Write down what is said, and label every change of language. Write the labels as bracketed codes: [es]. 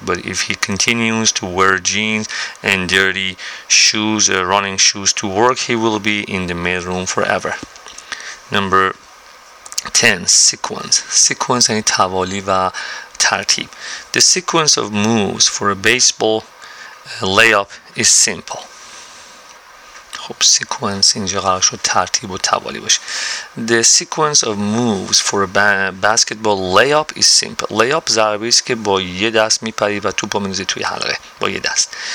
[en] But if he continues to wear jeans and dirty shoes, running shoes to work, he will be in the mailroom forever. Number 10. Sequence. Sequence [fa] یعنی توالی و ترتیب. [en] The sequence of moves for a baseball layup is simple. [fa] خب سیکونس اینجا قرار شد ترتیب و توالی باشه. [en] The sequence of moves for a basketball layup is simple. [fa] Layup ضربه ایست که با یه دست میپری و توپ رو میندازی توی حلقه با یه دست.